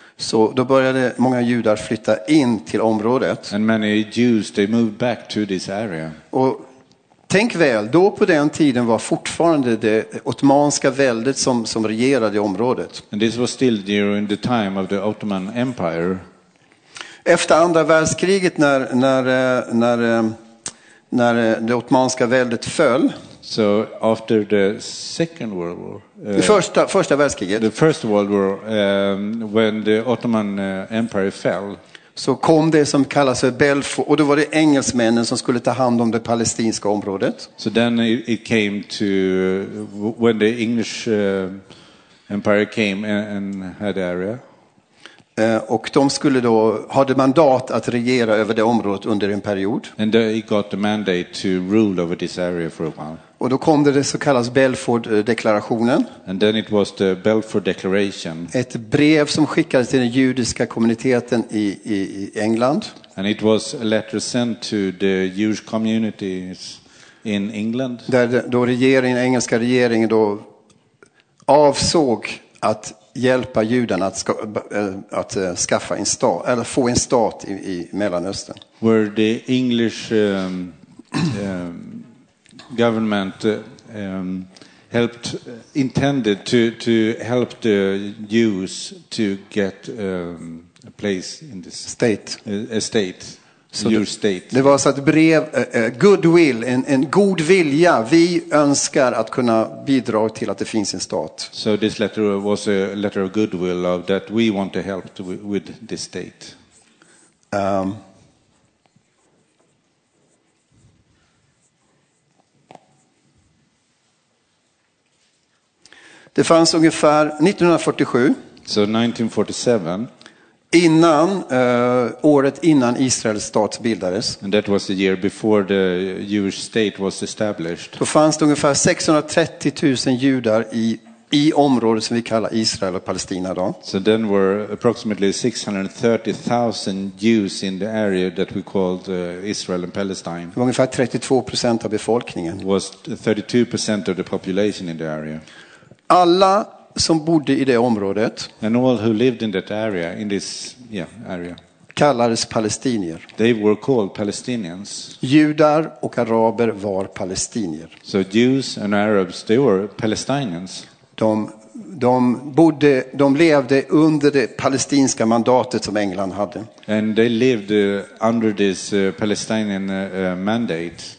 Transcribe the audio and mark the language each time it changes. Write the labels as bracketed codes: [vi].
[sv] Så då började många judar flytta in till området. [en] And many Jews they moved back to this area. [sv] Och Tänk väl, då på den tiden var fortfarande det ottomanska väldet som regerade i området. [en] And this was still during the time of the Ottoman Empire. [sv] Efter andra världskriget när det ottomanska väldet föll. [en] So after the Second World War. [sv] Första världskriget. [en] The First World War, when the Ottoman Empire fell. [sv] Så kom det som kallas för Belfort, och då var det engelsmännen som skulle ta hand om det palestinska området. [en] So then it came to when the English Empire came and had area. [sv] Och de skulle då hade mandat att regera över det området under en period. [en] And he got the mandate to rule over this area for a while. [sv] Och då kom det så kallas Belfort-deklarationen. [en] And then it was the Belfort Declaration. [sv] Ett brev som skickades till den judiska kommuniteten i England. [en] And it was a letter sent to the Jewish communities in England. [sv] Där då regeringen, engelska regeringen då avsåg att hjälpa judarna att skaffa en stat eller få en stat i Mellanöstern. [en] Where the English government helped intended to help the Jews to get a place in this state a state. So your state. [sv] Det var så att brev goodwill, en god vilja, vi önskar att kunna bidra till att det finns en stat. [en] So this letter was a letter of goodwill of that we want to help with this state. [sv] Det fanns ungefär 1947. [en] So 1947. [sv] Innan året innan Israels stat bildades. [en] And that was the year before the Jewish state was established. [sv] Då fanns det ungefär 630 000 judar i området som vi kallar Israel och Palestina då. [en] So then were approximately 630 000 Jews in the area that we called Israel and Palestine. [sv] Det var ungefär 32% av befolkningen. [en] It was 32% of the population in the area. [sv] Alla som bodde i det området. [en] And all who lived in that area, in this area. [sv] Kallades palestinier. [en] They were called Palestinians. [sv] Judar och araber var palestinier. [en] So Jews and Arabs, they were Palestinians. [sv] De levde under det palestinska mandatet som England hade. [en] And they lived under this Palestinian mandate.